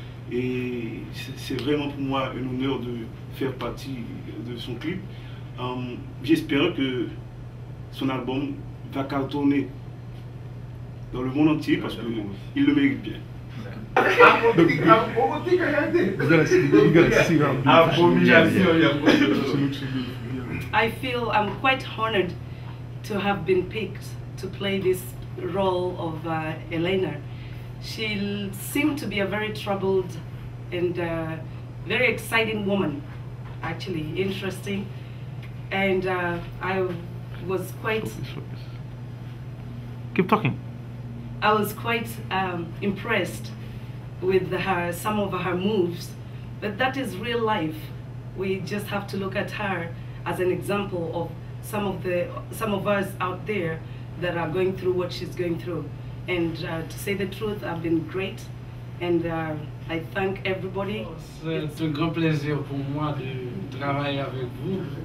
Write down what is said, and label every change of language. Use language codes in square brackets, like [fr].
[fr] Et c'est vraiment pour moi un honneur de faire partie de son clip. J'espère que son album va cartonner dans le monde entier parce qu'il le mérite bien. [en] I feel I'm quite honored to have been picked to play this role of Elena. She seemed to be a very troubled and very exciting woman, actually interesting. And I was quite. Keep talking. I was quite impressed with her, some of her moves, but that is real life. We just have to look at her as an example of some of us out there that are going through what she's going through. And to say the truth, I've been great, and I thank everybody. [fr] C'est un grand plaisir pour moi de travailler avec vous.